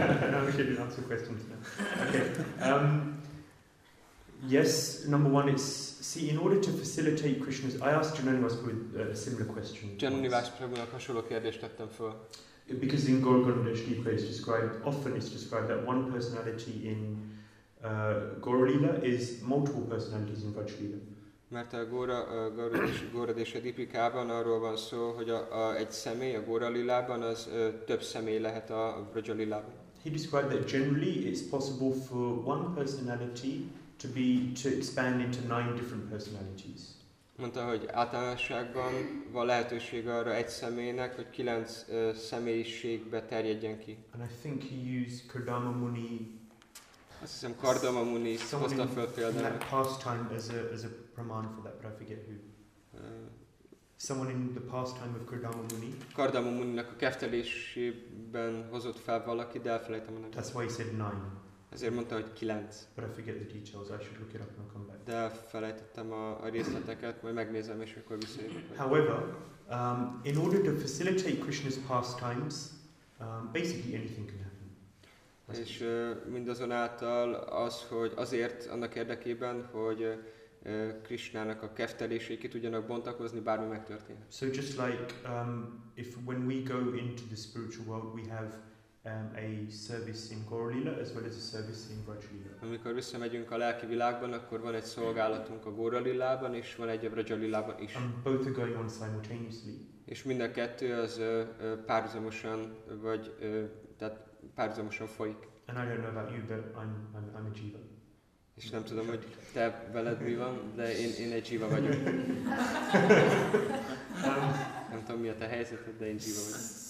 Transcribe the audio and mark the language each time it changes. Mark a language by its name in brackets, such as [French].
[English] No, we should answer questions now. Okay. Yes, number one is, see, in order to facilitate Krishna's... I asked Janonivas with a similar question. [Hungarian] Janonivas Prabhu-nak hasonló kérdést tettem föl. [English] Because in Gorgonadesh Deepika it's described, often it's described that one personality in Gauralila is multiple personalities in Vajralila. [Hungarian] Mert a Góra-dési Dipikában arról van szó, hogy egy személy a Góra-lilában, az több személy lehet a Vrajalilában. [English] He described that generally it's possible for one personality to expand into nine different personalities. [Hungarian] Mondta, hogy általánosságban van lehetőség arra egy személynek, hogy kilenc személyiségbe terjedjen ki. [English] And I think he used Kardama Muni. [Hungarian] Azt hiszem Kardama Muni hozta föl példának. [English] That past time as a praman for that, but I forget who. Someone in the past time of Kardama Muni. [Hungarian] Kardama Muninak a keftelésében hozott fel valaki, de elfelejtem a nevét. [English] That's why he said nine. [Hungarian] Ezért mondta, hogy kilenc. [English] But I forget the details. I should look it up and I'll come back. [Hungarian] De felejtettem a részleteket, majd megnézem, és akkor visszajövök. [English] However, in order to facilitate Krishna's pastimes, basically anything can happen. [Hungarian] És mindazonáltal az, hogy azért annak érdekében, hogy Krishnának a keftelését ki tudjanak bontakozni, bármi megtörténhet. [English] So just like if when we go into the spiritual world, we have a service in Góra-lila as well as a service in Vrajalila. [Hungarian] Amikor visszamegyünk a lelki világban, akkor van egy szolgálatunk a Góra-lilában és van egy a Vrajalilában is. [English] And both are going on simultaneously. [Hungarian] És mind a kettő az párhuzamosan vagy tehát párhuzamosan folyik. [English] And I don't know about you, but I'm a jiva. [Hungarian] És nem tudom, hogy te veled mi van, de én egy jiva vagyok. Nem tudom, mi a te helyzeted, de én jiva vagyok.